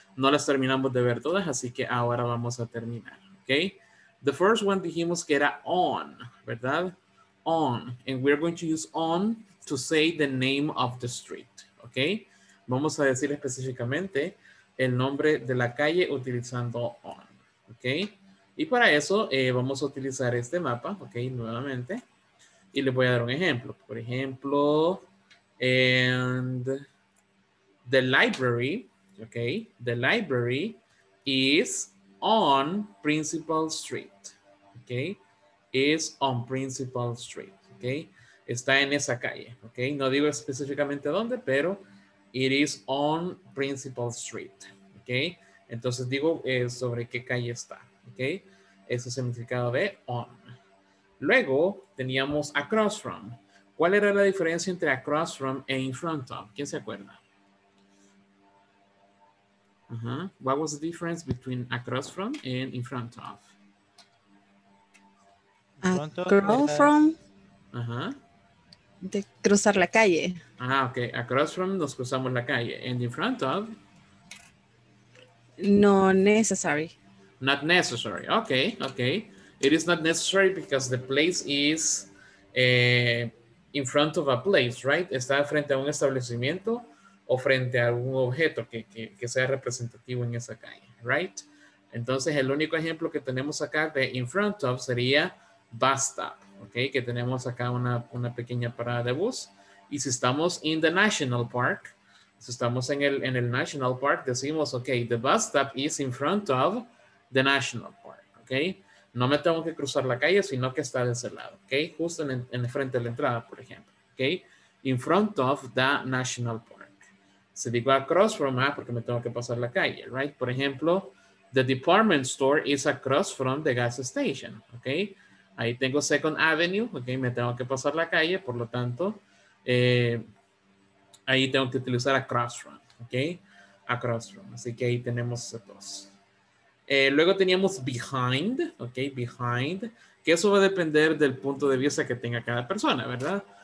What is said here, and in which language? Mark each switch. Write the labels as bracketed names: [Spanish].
[Spanish] No las terminamos de ver todas, así que ahora vamos a terminar, okay? [English] The first one [Spanish] dijimos que era on, ¿verdad? [English] On, and we're going to use on to say the name of the street, okay? [Spanish] Vamos a decir específicamente el nombre de la calle utilizando on, okay? Y para eso vamos a utilizar este mapa, okay, nuevamente. Y les voy a dar un ejemplo. Por ejemplo, [English] and the library, [Spanish] okay? [English] The library is on Principal Street, okay? Is on Principal Street, okay? [Spanish] Está en esa calle, [English] okay? [Spanish] No digo específicamente dónde, pero [English] it is on Principal Street, [Spanish] okay? Entonces digo sobre qué calle está, okay? Ese es el significado de on. Luego teníamos across from. ¿Cuál era la diferencia entre across from e in front of? ¿Quién se acuerda? Uh-huh. [English] What was the difference between across from and in front of? Across from. Ajá. [Spanish] De cruzar la calle. [English] Ah, okay. Across from, [Spanish] nos cruzamos la calle. [English] And in front of? No necessary. Not necessary. Okay, okay. It is not necessary because the place is in front of a place, right? [Spanish] Está frente a un establecimiento o frente a algún objeto que sea representativo en esa calle, right? Entonces, el único ejemplo que tenemos acá de in front of sería bus stop, okay, que tenemos acá una pequeña parada de bus. Y si estamos [English] in the national park, [Spanish] si estamos en el national park, decimos, okay, [English] the bus stop is in front of the national park, [Spanish] okay. No me tengo que cruzar la calle, sino que está de ese lado, okay, justo en el frente de la entrada, por ejemplo, okay, [English] in front of the national park. [Spanish] Si digo across from, porque me tengo que pasar la calle, right? Por ejemplo, [English] the department store is across from the gas station, okay. [Spanish] Ahí tengo Second Avenue, ok, me tengo que pasar la calle, por lo tanto, ahí tengo que utilizar across from, ok, across from, así que ahí tenemos esos dos. Luego teníamos behind, ok, behind, que eso va a depender del punto de vista que tenga cada persona, ¿verdad?